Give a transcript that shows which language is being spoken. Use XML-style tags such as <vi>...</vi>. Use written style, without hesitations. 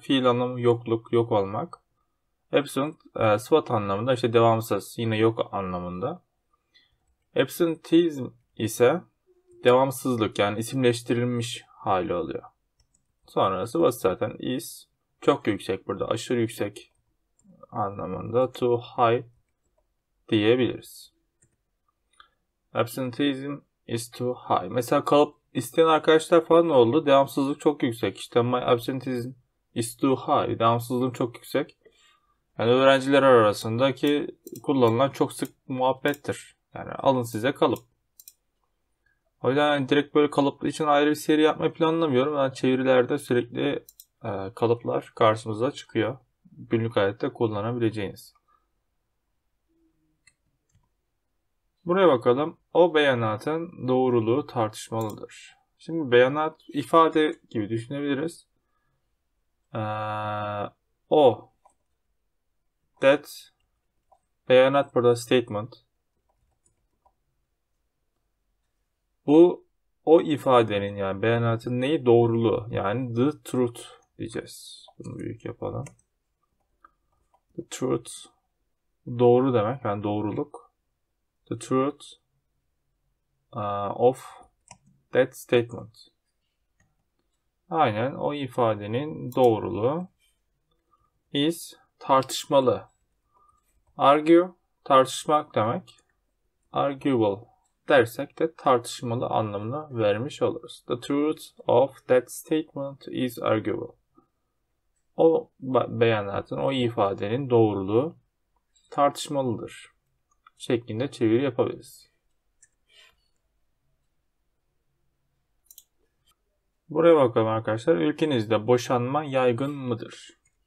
<tr>Fiil anlamı yokluk, yok olmak. Absent, sıfat anlamında işte devamsız, yine yok anlamında. Absenteeism ise devamsızlık, yani isimleştirilmiş hali oluyor. Sonrası basit zaten. Is çok yüksek burada. Aşırı yüksek anlamında.</tr> <en>Too high</en> <tr>diyebiliriz.</tr> <en>Absenteeism is too high.</en> <tr>Mesela kalıp isteyen arkadaşlar falan oldu. Devamsızlık çok yüksek.</tr> <en>İşte my absenteeism is too high.</en> <tr>Devamsızlığım çok yüksek. Yani öğrenciler arasındaki kullanılan çok sık muhabbettir. Yani alın size kalıp. O yüzden yani direkt böyle kalıplar için ayrı bir seri yapmayı planlamıyorum. Yani çevirilerde sürekli kalıplar karşımıza çıkıyor. Günlük hayatta kullanabileceğiniz. Buraya bakalım. O beyanatın doğruluğu tartışmalıdır. Şimdi beyanat ifade gibi düşünebiliriz. O. That. Beyanat burada statement. Bu o ifadenin yani beyanatın neyi doğruluğu yani</tr> <en>the truth</en> <tr>diyeceğiz. Bunu büyük yapalım.</tr> <en>The truth</en> <tr>doğru demek yani doğruluk.</tr> <en>The truth of that statement.</en> <tr>Aynen o ifadenin doğruluğu is tartışmalı. Argue tartışmak demek. Arguable dersek de tartışmalı anlamına vermiş oluruz.</tr> <en>The truth of that statement is arguable.</en> <tr>O beyanatın, o ifadenin doğruluğu tartışmalıdır şeklinde çeviri yapabiliriz. Buraya bakalım arkadaşlar. Ülkenizde boşanma yaygın mıdır?</tr>